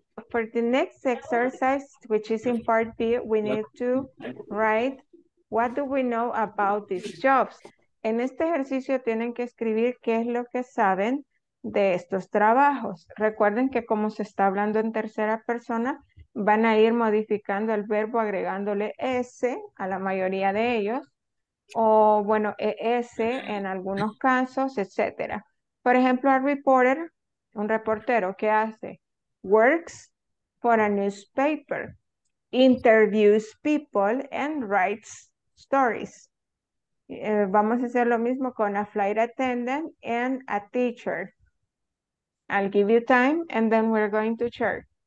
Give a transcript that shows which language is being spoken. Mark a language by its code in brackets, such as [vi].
[en] For the next exercise, which is in part B, we need to write what do we know about these jobs. [es] En este ejercicio tienen que escribir qué es lo que saben de estos trabajos. Recuerden que como se está hablando en tercera persona, van a ir modificando el verbo agregándole S a la mayoría de ellos, o bueno, ES en algunos casos, etcétera. Por ejemplo, a reporter. Un reportero, ¿qué hace? [en] Works for a newspaper, interviews people, and writes stories. [es] Vamos a hacer lo mismo con [en] a flight attendant and a teacher. I'll give you time, and then we're going to check.